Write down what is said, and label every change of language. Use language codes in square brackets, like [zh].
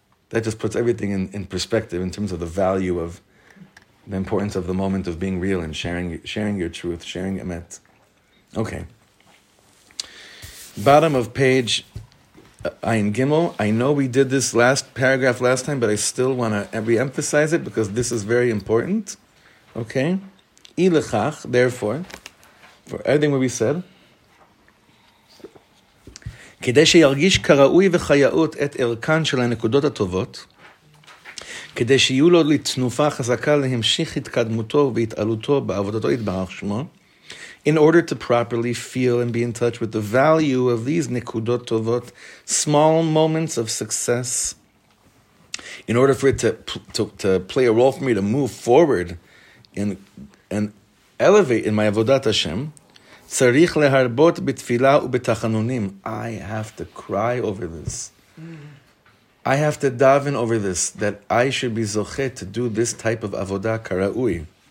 [en] That just puts everything in perspective in terms of the value of the importance of the moment of being real and sharing your truth, sharing emet. Okay. Bottom of page Ayin Gimel. I know we did this last paragraph last time, but I still want to re-emphasize it because this is very important. Okay? Ilechach, therefore, for everything we said, [he] כדי שירגיש כראוי וחייאות את ערכן של הנקודות הטובות, כדי שיהיו לו לתנופה חזקה להמשיך התקדמותו והתעלותו בעבודתו יתברך שמו, [en] in order to properly feel and be in touch with the value of these nekudot tovot, small moments of success, in order for it to play a role for me to move forward and elevate in my avodat Hashem, [he] tzarich leharbot b'tfilah u'betachanunim. [en] I have to cry over this. I have to daven over this, that I should be zochet to do this type of avodah karaui.